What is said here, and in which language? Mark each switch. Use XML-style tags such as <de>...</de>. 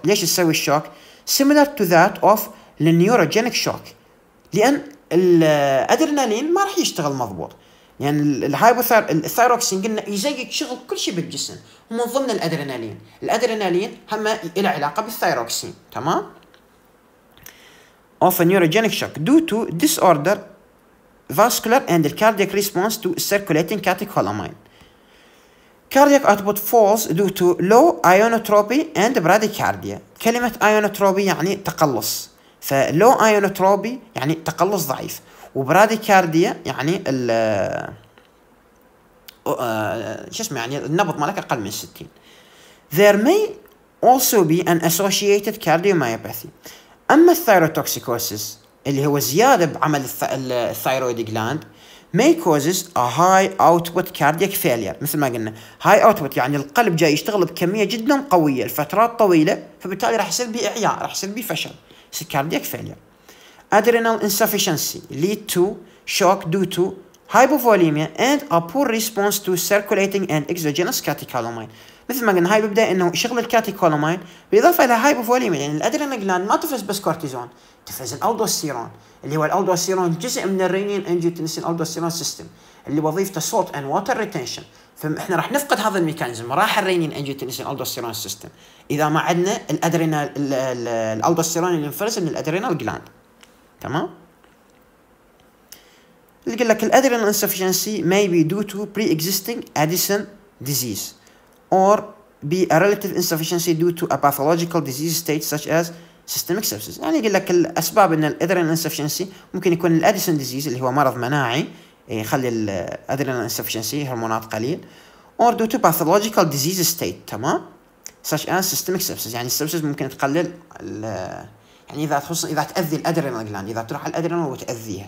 <ar>ليش تسوي الشوك؟</ar> <en>similar to that of the neurogenic shock</en> <ar>لان الادرينالين ما راح يشتغل مضبوط. يعني الثايروكسين قلنا يزيد شغل كل شيء بالجسم ومن ضمن الادرينالين. الادرينالين هم له علاقه بالثايروكسين تمام.</ar> <en>of a neurogenic shock due to disorder vascular and cardiac response to circulating catecholamine. cardiac output falls due to low ionotropy and bradycardia.</en> <ar>كلمة ionotropy يعني تقلص، ف low ionotropy يعني تقلص ضعيف، وبراديكارديا يعني ال شو اسمه يعني النبض مالك أقل من 60.</ar> <en>There may also be an associated cardiomyopathy.</en> <ar>أما الثيروتوكسيكوسيس اللي هو زيادة بعمل الثيرويد جلاند</ar> <en>may causes a high output cardiac failure.</en> <ar>مثل ما قلنا high output يعني القلب جاي يشتغل بكمية جدا قوية لفترات طويلة، فبالتالي راح يصير به إعياء، راح يصير به فشل cardiac failure.</ar> <en>Adrenal insufficiency lead to shock due to hypovolemia and a poor response to circulating and exogenous catecholamine.</en> <ar>مثل ما قلنا هاي ببدأ انه شغل الكاتيكولامين بالإضافة الى هايبوفوليميا، يعني الادرينال جلاند ما تفرز بس كورتيزون، تفرز الالدوستيرون اللي هو الالدوستيرون جزء من الرينين انجيوتنسين الالدوستيرون سيستم اللي وظيفته</ar> <en>Salt and water retention.</en> <ar>فاحنا راح نفقد هذا الميكانيزم، راح الرينين انجيوتنسين الالدوستيرون سيستم اذا ما عندنا الادرينال الالدوستيرون اللي ينفرز من الادرينال جلاند. تمام، اللي قال لك</ar> <en>الادرينال insufficiency may be due to pre existing Addison disease or be a relative insufficiency due to a pathological disease state such as systemic sepsis.</en> <ar>يعني يقول لك الأسباب إن الأدرينال insufficiency ممكن يكون الأديسون ديزيز اللي هو مرض مناعي يخلي الأدرينال insufficiency هرمونات قليل،</ar> <en>or due to pathological disease state</en> <ar>تمام</ar> <en>such as systemic sepsis.</en> <ar>يعني السبسس ممكن تقلل يعني إذا تخص إذا تأذي الأدرينال جلاند، إذا تروح الأدرينال وتأذيها.</ar>